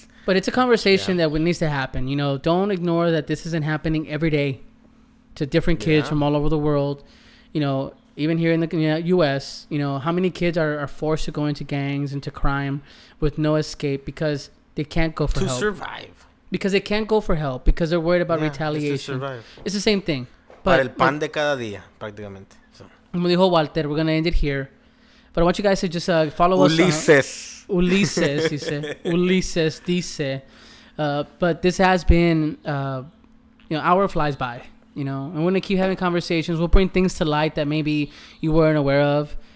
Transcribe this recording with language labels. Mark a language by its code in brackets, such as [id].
[en] But it's a conversation that needs to happen. You know, don't ignore that this isn't happening every day to different kids from all over the world. You know, even here in the U.S., you know, how many kids are forced to go into gangs and to crime with no escape because they can't go for help? To survive. Because they can't go for help because they're worried about retaliation. It's to survive. It's the same thing. [es] But, para el pan de cada día, prácticamente. Como dijo Walter, [en] we're going to end it here. But I want you guys to just follow us. Ulises. Ulises, he said. [es] Ulises dice. [en] But this has been, hour flies by. You know, and we're going to keep having conversations. We'll bring things to light that maybe you weren't aware of.